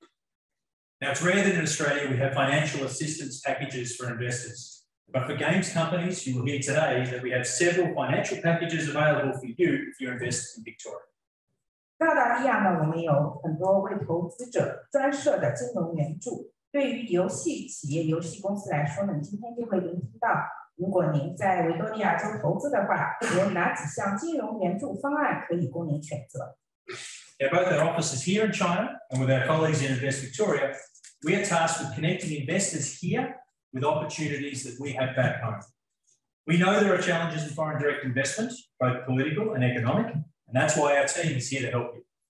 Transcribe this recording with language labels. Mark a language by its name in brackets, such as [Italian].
[English] it's rare that in Australia we have financial assistance packages for investors, but for games companies, you will hear today that we have several financial packages available for you if you invest in Victoria. [Chinese] 澳大利亚呢，我们有很多为投资者专设的金融援助。对于游戏企业、游戏公司来说呢，今天就会聆听到，如果您在维多利亚州投资的话，有哪几项金融援助方案可以供您选择。 [English] Yeah, both our offices here in China and with our colleagues in Invest Victoria, we are tasked with connecting investors here with opportunities that we have back home. We know there are challenges in foreign direct investment, both political and economic, and that's why our team is here to help you.